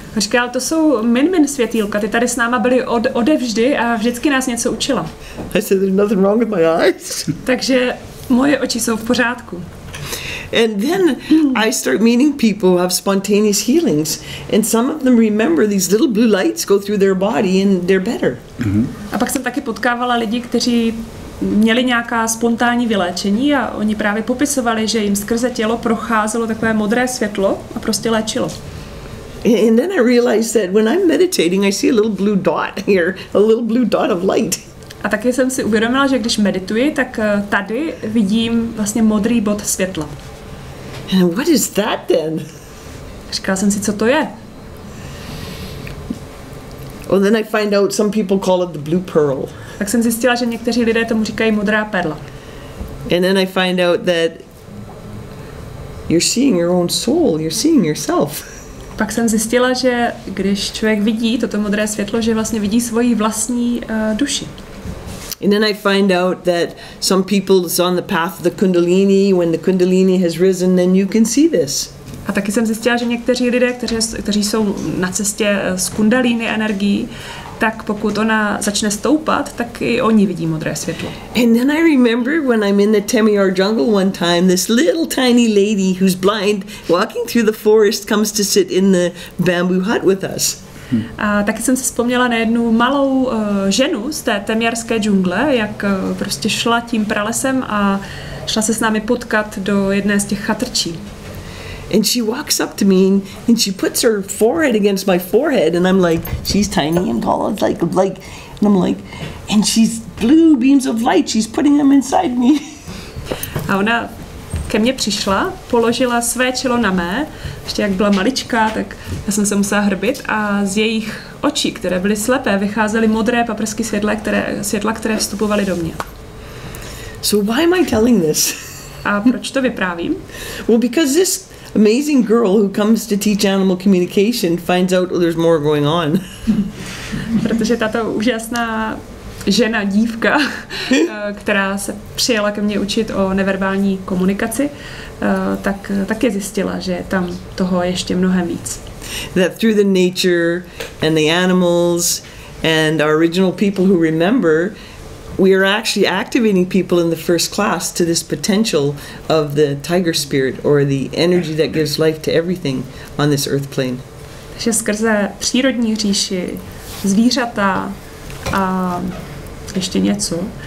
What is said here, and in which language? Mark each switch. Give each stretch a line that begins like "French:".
Czech: Říká, to jsou Min světýlka, ty tady s náma byly odevždy a vždycky nás něco učila.
English: I said, there's nothing wrong with my eyes.
Czech: Takže moje oči jsou v pořádku.
English: And then I start meeting people who have spontaneous healings, and some of them remember these little blue lights go through their body and they're better. Mm-hmm.
Czech: A pak jsem taky potkávala lidi, kteří měli nějaká spontánní vyléčení, a oni právě popisovali, že jim skrze tělo procházelo takové modré světlo a prostě léčilo.
English: And then I realized that when I'm meditating, I see a little blue dot here, a little blue dot of light.
Czech: A taky jsem si uvědomila, že když medituji, tak tady vidím vlastně modrý bod světla.
English: And what is that then?
Czech: Říkala jsem si, co to je.
English: Well, then I find out some people call it the blue pearl.
Czech: Tak jsem zjistila, že někteří lidé tomu říkají modrá perla.
English: And then I find out that you're seeing your own soul, you're seeing yourself.
Czech: Pak jsem zjistila, že když člověk vidí toto modré světlo, že vlastně vidí svoji vlastní duši.
English: And then I find out that some people is on the path of the Kundalini, when the Kundalini has risen, then you can see this.
Czech: A taky jsem zjistila, že někteří lidé, kteří jsou na cestě s Kundalini energií, tak pokud ona začne stoupat, tak i oni vidí modré světlo.
English: And then I remember when I'm in the Temyar jungle one time, this little tiny lady who's blind walking through the forest comes to sit in the bamboo hut with us. Hmm.
Czech: A taky jsem si vzpomněla na jednu malou ženu z té temjarské džungle, jak prostě šla tím pralesem a šla se s námi potkat do jedné z těch chatrčí.
English: And she walks up to me and she puts her forehead against my forehead and I'm like, she's tiny and tall, it's like and I'm like, and she's blue beams of light, she's putting them inside me.
Czech: A ona ke mně přišla, položila své čelo na mé, ještě jak byla maličká, tak já jsem se musela hrbit a z jejich očí, které byly slepé, vycházely modré paprsky světla, které vstupovaly do mě.
English: So why am I telling this?
Czech: A proč to vyprávím?
English: Well, because this amazing girl who comes to teach animal communication finds out there's more going on.
Czech: Protože tato úžasná žena, dívka, která se přijela ke mně učit o neverbální komunikaci, tak také zjistila, že je tam toho ještě mnohem víc.
English: That through the nature and the animals and our original people who remember, we are actually activating people in the first class to this potential of the tiger spirit or the energy that gives life to everything on this earth plane.
Czech: Takže skrze přírodní říši, zvířata a ještě něco.